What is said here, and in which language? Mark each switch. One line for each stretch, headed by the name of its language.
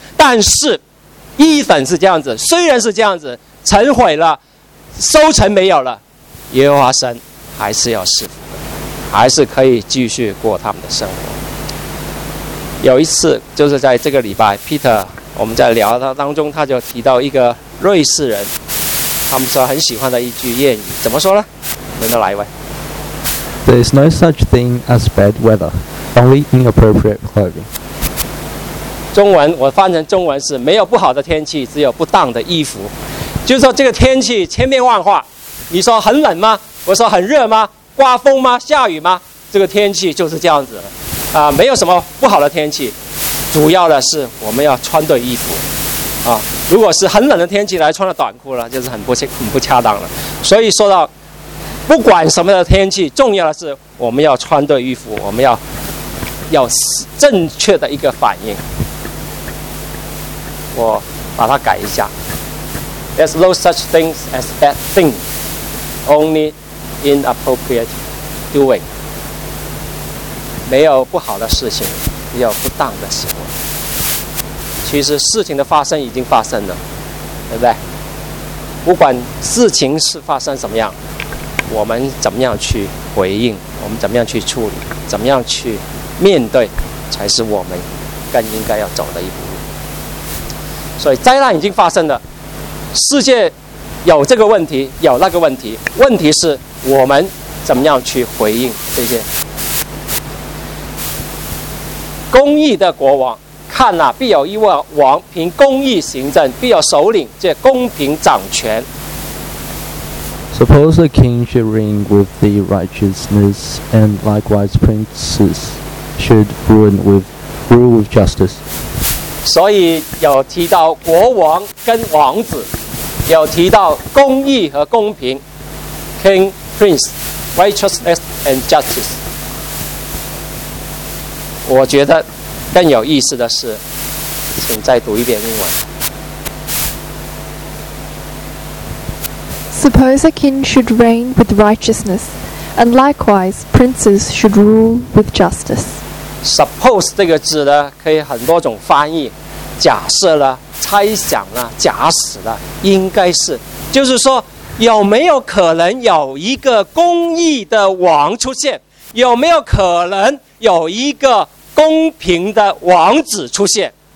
Chinese: 但是一粉是这样子，虽然是这样子成毁了，收成没有了，耶和华神还是要赐福，还是可以继续过他们的生活。有一次就是在这个礼拜 Peter 我们在聊他当中，他就提到一个瑞士人，他们说很喜欢的一句谚语，怎么说呢？轮到哪一位？
English: There is no such thing as bad weather, only inappropriate clothing.
Chinese: 中文我翻成中文是没有不好的天气，只有不当的衣服。就是说这个天气千变万化，你说很冷吗？我说很热吗？刮风吗？下雨吗？这个天气就是这样子啊，没有什么不好的天气，主要的是我们要穿对衣服啊。如果是很冷的天气来穿了短裤了，就是很不恰当了。所以说到不管什么的天气，重要的是我们要穿对衣服，我们要正确的一个反应。我把它改一下，
English: There's no such things as bad thing, only inappropriate doing.
Chinese: 没有不好的事情，只有不当的行为。其实事情的发生已经发生了，对不对？不管事情是发生什么样，我们怎么样去回应，我们怎么样去处理，怎么样去面对，才是我们更应该要走的一步。所以灾难已经发生了，世界有这个问题，有那个问题，问题是我们怎么样去回应这些。公义的国王看了、必有一王凭公义行政，必有首领借公平掌权。
English: Suppose a king should reign with the righteousness, and likewise princes should rule with justice.
Chinese: 所以有提到国王跟王子，有提到公义和公平，
English: King, Prince, Righteousness and Justice.
Chinese: 我觉得更有意思的是，请再读一遍英文。
English: Suppose a king should reign with righteousness, and likewise princes should rule with justice.
Chinese: Suppose 这个字呢，可以很多种翻译，假设了、猜想了、假使了，应该是，就是说，有没有可能有一个公义的王出现？有没有可能有一个公平的王子出现？